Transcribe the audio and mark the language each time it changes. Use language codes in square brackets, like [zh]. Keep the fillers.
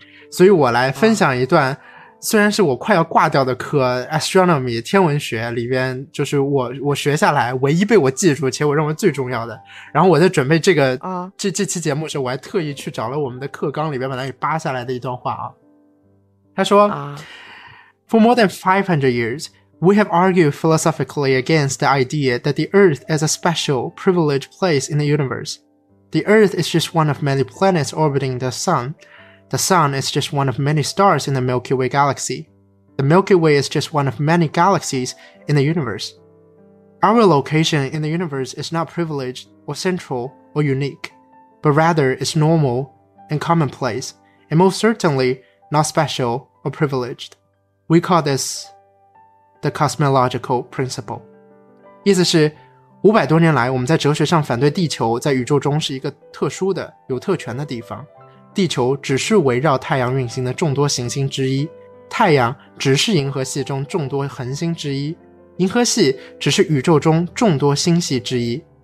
[zh] 所以我来分享一段，虽然是我快要挂掉的课，astronomy 天文学里边，就是我我学下来唯一被我记住且我认为最重要的。然后我在准备这个啊这这期节目时，我还特意去找了我们的课纲里边把它给扒下来的一段话啊。 [en] 他说，For more than five hundred years, we have argued philosophically against the idea that the Earth is a special, privileged place in the universe. The Earth is just one of many planets orbiting the sun. The Sun is just one of many stars in the Milky Way galaxy. The Milky Way is just one of many galaxies in the universe. Our location in the universe is not privileged or central or unique, but rather is normal and commonplace, and most certainly not special or privileged. We call this the cosmological principle. [zh] 意思是,五百多年来，我们在哲学上反对地球在宇宙中是一个特殊的、有特权的地方。地球只是围绕太阳运行的众多行星之一，太阳只是银河系中众多恒星之一，银河系只是宇宙中众多星系之一。